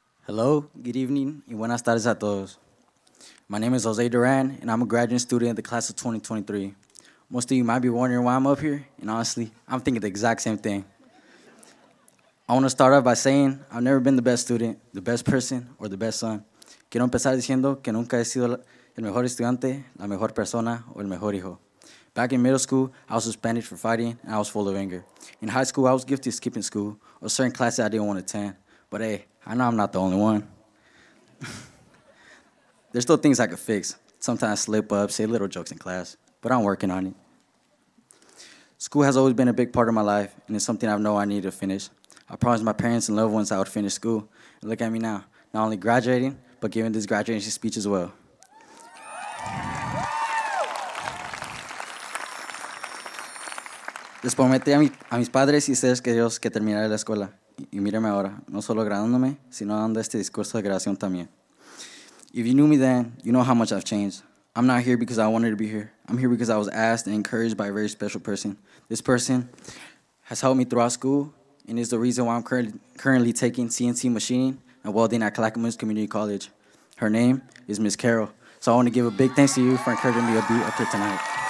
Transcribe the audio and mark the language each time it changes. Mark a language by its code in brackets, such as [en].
[en] Hello, good evening, [es] y buenas tardes a todos. [en] My name is Jose Duran, and I'm a graduate student in the class of 2023. Most of you might be wondering why I'm up here, and honestly, I'm thinking the exact same thing. I want to start off by saying I've never been the best student, the best person, or the best son. [es] Quiero empezar diciendo que nunca he sido el mejor estudiante, la mejor persona, o el mejor hijo. [en] Back in middle school, I was suspended for fighting, and I was full of anger. In high school, I was guilty of skipping school, or certain classes I didn't want to attend. But hey, I know I'm not the only one. There's still things I could fix. Sometimes I slip up, say little jokes in class, but I'm working on it. School has always been a big part of my life, and it's something I know I need to finish. I promised my parents and loved ones I would finish school. And look at me now, not only graduating, but giving this graduation speech as well. [es] Les prometí a mis padres y seres queridos que terminaré la escuela. Y míreme ahora, no solo graduándome, sino dando este discurso de graduación también. [en] If you knew me then, you know how much I've changed. I'm not here because I wanted to be here. I'm here because I was asked and encouraged by a very special person. This person has helped me throughout school and is the reason why I'm currently taking CNC machining and welding at Clackamas Community College. Her name is Ms. Carol. So I want to give a big thanks to you for encouraging me to be up here tonight.